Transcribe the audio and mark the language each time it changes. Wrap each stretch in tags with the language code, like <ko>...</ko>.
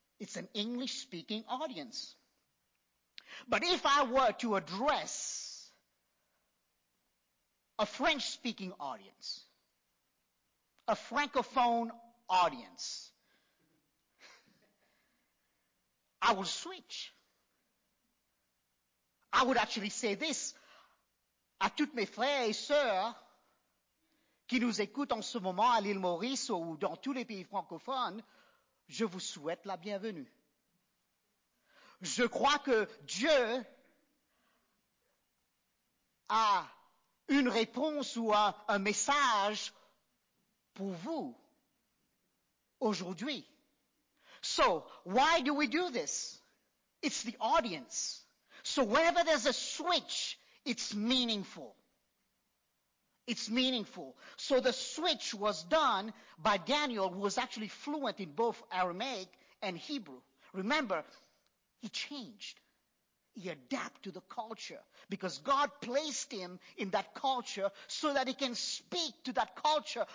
<en>It's an English-speaking audience. But if I were to address a French-speaking audience, a Francophone audience, I will switch. I would actually say this,</en> <fr>à toutes mes frères et sœurs qui nous écoutent en ce moment à l'île Maurice ou dans tous les pays francophones, je vous souhaite la bienvenue. Je crois que Dieu a une réponse ou un message pour vous aujourd'hui.</fr> <en>So, why do we do this? It's the audience. So whenever there's a switch, it's meaningful. It's meaningful. So the switch was done by Daniel, who was actually fluent in both Aramaic and Hebrew. Remember, he changed. He adapted to the culture because God placed him in that culture so that he can speak to that culture.</en>